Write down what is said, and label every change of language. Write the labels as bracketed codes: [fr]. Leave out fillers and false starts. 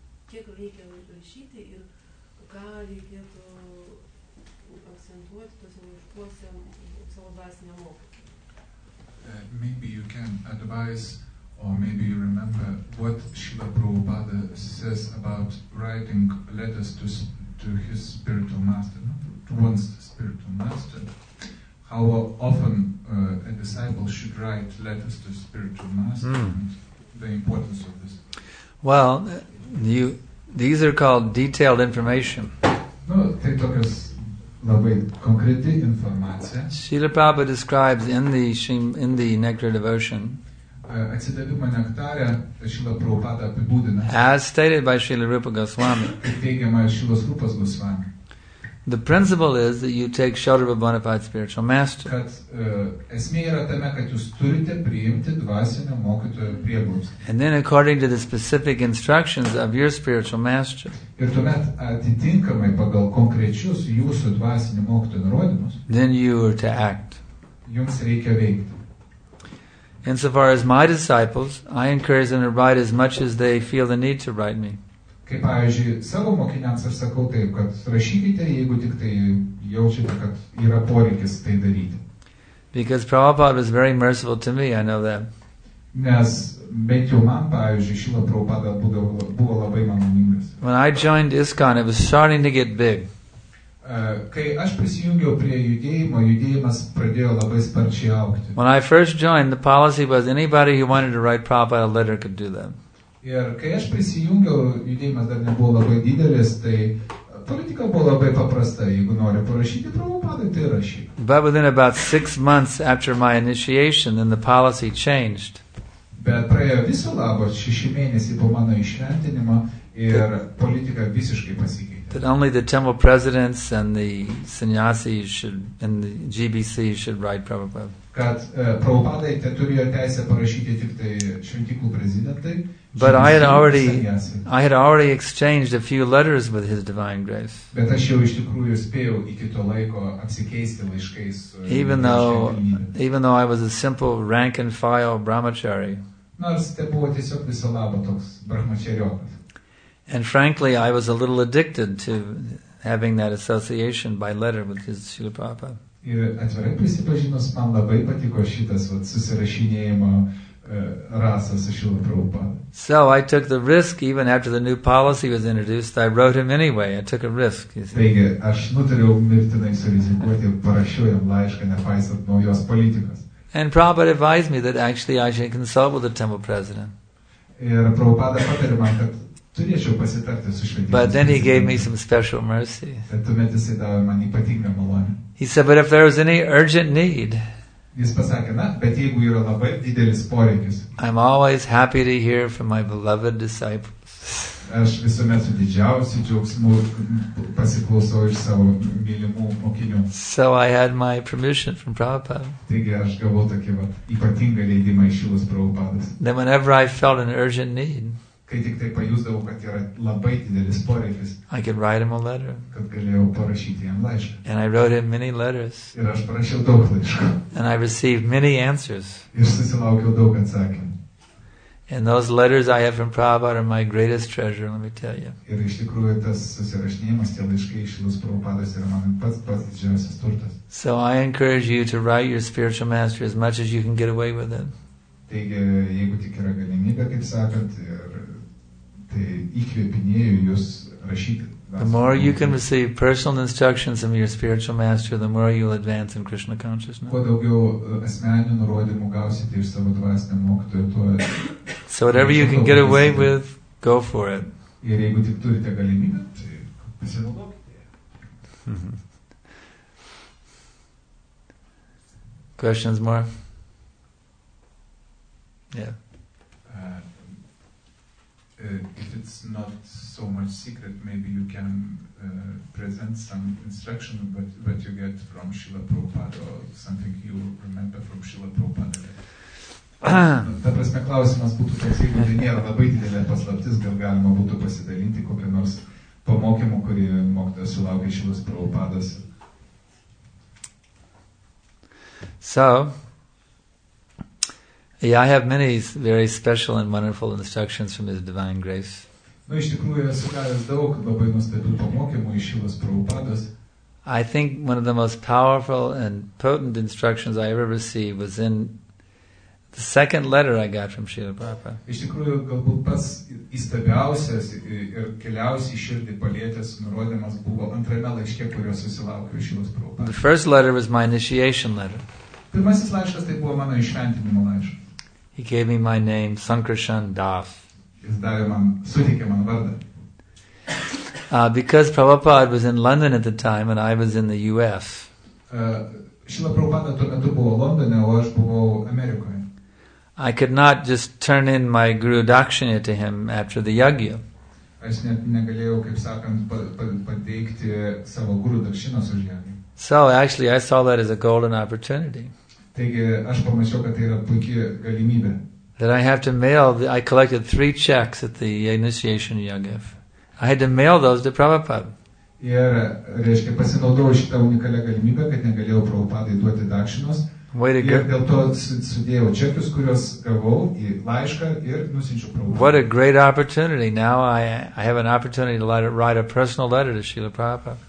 [lt] Kiek reikia rašyti ir ką reikėtų akcentuoti tuose laiškuose savo dvasinę mokytoją. [en] Maybe you can advise, or maybe you remember what Srila Prabhupada says about writing letters to his spiritual master, to one's spiritual master. How often a disciple should write letters to spiritual master and the importance of this. Well, these are called detailed information. [lt] No, tai tokios labai konkreti informacija. [en] Srila Prabhupada describes in the Nectar Devotion, [lt] atsidavimo nektare, Srila Prabhupada apibūdina, [en] as stated by Srila Rupa Goswami, the principle is that you take shelter of a bona fide spiritual master. [lt] Kad esmė yra tame, kad jūs turite priimti dvasinio mokytojo prieglobstį. [en] And then according to the specific instructions of your spiritual master. [lt] Ir tuomet atitinkamai pagal konkrečius jūsų dvasinio mokytojo nurodymus. [en] Then you are to act. [lt] Jums reikia veikti. [en] Insofar as my disciples, I encourage them to write as much as they feel the need to write me. [lt] Kaip, pavyzdžiui, savo mokiniams aš sakau taip, kad rašykite, jeigu tik tai jaučiate, kad yra poreikis tai daryti. [en] Because Prabhupada was very merciful to me, I know that. [lt] Nes bent jau man, pavyzdžiui, Šila Prabhupada buvo labai maloningas. [en] When I joined ISKCON, it was starting to get big. [lt] Kai aš prisijungiau prie judėjimo, judėjimas pradėjo labai sparčiai augti. [en] When I first joined, the policy was anybody who wanted to write Prabhupada a letter could do that. [lt] Ir kai aš prisijungiau, judėjimas dar nebuvo labai didelis, tai politika buvo labai paprasta. Jeigu nori parašyti Prabhupadai, tai rašyk. [en] But within about 6 months after my initiation, then the policy changed. [lt] Bet praėjo viso labo šeši mėnesiai po mano išventinimo ir politika visiškai pasikeitė. [en] That only the temple presidents and the sannyasi should and the GBC should write Prabhupada. [lt] Kad Prabhupadai turėjo teisę parašyti tik tai šventikų prezidentai. [en] But I had already exchanged a few letters with His Divine Grace. [lt] Bet aš jau iš tikrųjų spėjau iki to laiko apsikeisti laiškais. [en] Even though I was a simple rank and file brahmachari. [lt] Nors tai buvo tiesiog viso labo toks brahmachariokas. [en] And frankly, I was a little addicted to having that association by letter with His Srila Prabhupada. [lt] Ir atvirai prisipažinus, man labai patiko šitas susirašinėjimo rasas su Srila Prabhupada. [en] So I took the risk, even after the new policy was introduced, I wrote him anyway, I took a risk. [lt] Taigi, aš nutariau mirtinai surizikuoti, parašiau jam laišką, nepaisant naujos politikos. [en] And Prabhupada advised me that actually I should consult with the temple president. [lt] Ir Prabhupada patarė man, kad turėčiau pasitarti su šventyklos. [en] But then he gave me some special mercy. [lt] Bet tuomet jisai davė man ypatingą malonę. [en] He said, but if there was any urgent need, [lt] jis pasakė, na, bet jeigu yra labai didelis poreikis. [en] I'm always happy to hear from my beloved disciples. [lt] Aš visuomet su didžiausiu džiaugsmu pasiklausau iš savo mylimų mokinių. [en] So I had my permission from Prabhupada. [lt] Taigi aš gavau tokį va, ypatingą leidimą iš Šilos Prabhupados. [en] Then whenever I felt an urgent need, [lt] kai tik tai pajusdavau, kad yra labai didelis poreikis, [en] I could write him a letter. [lt] Kad galėjau parašyti jam laišką. [en] And I wrote him many letters. [lt] Ir aš parašiau daug laiškų. [en] And I received many answers. [lt] Ir susilaukiau daug atsakymų. [en] And those letters I have from Prabhupada are my greatest treasure, let me tell you. [lt] Ir iš tikrųjų tas susirašinėjimas, tie laiškai iš Šilos Prabhupados yra man pats didžiausias turtas. [en] So I encourage you to write your spiritual master as much as you can get away with it. [lt] Taigi, jeigu tik yra galimybė, kaip sakant, tai įkvėpinėjau jūs rašyti. [en] The more you can receive personal instructions from your spiritual master, the more you'll advance in Krishna consciousness. [lt] Kuo daugiau asmeninių nurodymų gausite iš savo dvasinio mokytojo, tuo... [en] So whatever you can get away with, go for it. [lt] Ir jeigu tik turite galimybę, tai pasinaudokite. [en] Questions more? Yeah. If it's not so much secret, maybe you can present some instruction what you get from Srila Prabhupada or something you remember from Srila Prabhupada. [lt] Ta prasme, klausimas būtų toks, jeigu tai nėra labai didelė paslaptis, gal galima būtų pasidalinti kokią nors pamokymą, kurį mokytojas sulaukė Šilos Prabhupados. [en] So... Yeah, I have many very special and wonderful instructions from His Divine Grace. [lt] Nu, iš tikrųjų, esu gavęs daug labai nuostabių pamokymų iš Šilos Prabhupados. [en] I think one of the most powerful and potent instructions I ever received was in the second letter I got from Srila Prabhupada. [lt] Iš tikrųjų, galbūt pats įstabiausias ir keliausiai širdį palietęs nurodymas buvo antrame laiške, kurio susilaukiu iš Šilos Prabhupados. [en] The first letter was my initiation letter. [lt] Pirmasis laiškas tai buvo mano išventinimo laiškas. [en] He gave me my name, Sankarshan Das. [lt] Jis davė man, suteikė man vardą. [en] Because Prabhupada was in London at the time and I was in the U.S. [lt] Šila Prabhupada tuo metu buvo Londone, o aš buvau Amerikoje. [en] I could not just turn in my Guru Dakshina to him after the Yagya. [lt] Aš net negalėjau, kaip sakant, pateikti savo Guru Dakshinas už Yagya. [en] So actually I saw that as a golden opportunity. [lt] Taigi, aš pamačiau, kad tai yra puiki galimybė. [en] That I have to mail, I collected three checks at the initiation Yagyav. I had to mail those to Prabhupada. [lt] Ir, reiškia, pasinaudojau šitą unikalią galimybę, kad negalėjau Prabhupadai duoti dakšinos. [en] Way to [lt] ir [en] go. [lt] Dėl to sudėjau čekius, kuriuos gavau į laišką ir nusinčiau Prabhupada. [en] What a great opportunity. Now I have an opportunity to write a personal letter to Srila Prabhupada.